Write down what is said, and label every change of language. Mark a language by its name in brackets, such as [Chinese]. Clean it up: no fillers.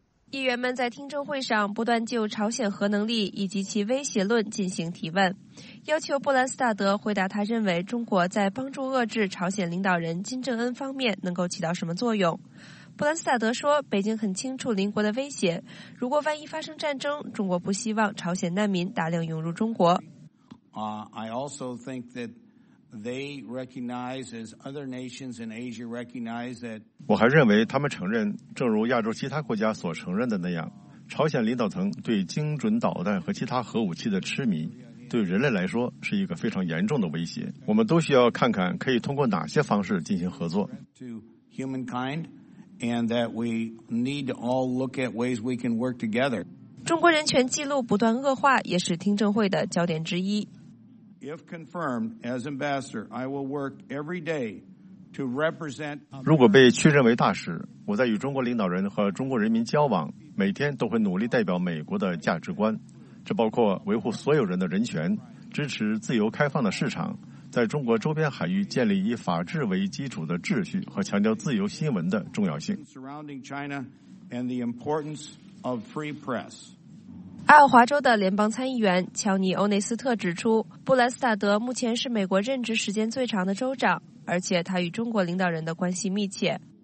[Chinese] 议员们在听证会上不断就朝鲜核能力以及其威胁论进行提问，要求布兰斯塔德回答他认为中国在帮助遏制朝鲜领导人金正恩方面能够起到什么作用。布兰斯塔德说，北京很清楚邻国的威胁，如果万一发生战争，中国不希望朝鲜难民大量涌入中国。 [English] I also think that they recognize, as other nations in Asia recognize that. [Chinese] 我还认为他们承认，正如亚洲其他国家所承认的那样，朝鲜领导层对精准导弹和其他核武器的痴迷，对人类来说是一个非常严重的威胁。我们都需要看看可以通过哪些方式进行合作。 [English] To humankind, and that we need to all look at ways we can work together. [Chinese] 中国人权记录不断恶化也是听证会的焦点之一。 [English] If confirmed as ambassador, I will work every day to represent. [Chinese] 如果被确认为大使，我在与中国领导人和中国人民交往，每天都会努力代表美国的价值观。这包括维护所有人的人权，支持自由开放的市场，在中国周边海域建立以法治为基础的秩序和强调自由新闻的重要性。 [English] Surrounding China and the importance of free press. [Chinese] 爱奥华州的联邦参议员乔尼·欧内斯特指出，布兰斯塔德目前是美国任职时间最长的州长，而且他与中国领导人的关系密切。